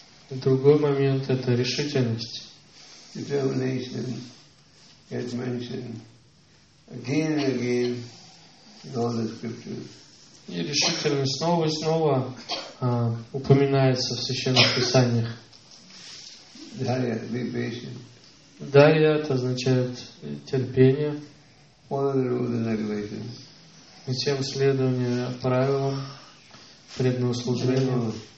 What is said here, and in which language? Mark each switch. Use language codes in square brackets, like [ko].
[ru] Другой момент – это решительность. [en] Determination gets mentioned again and again in all the scriptures. [ru] И решительность снова и снова упоминается в священных писаниях. [en] Дарья, be patient. [ru] Дарья это означает терпение. [en] Follow the rules and regulations. [ru] Всем следование правилам преданного служения.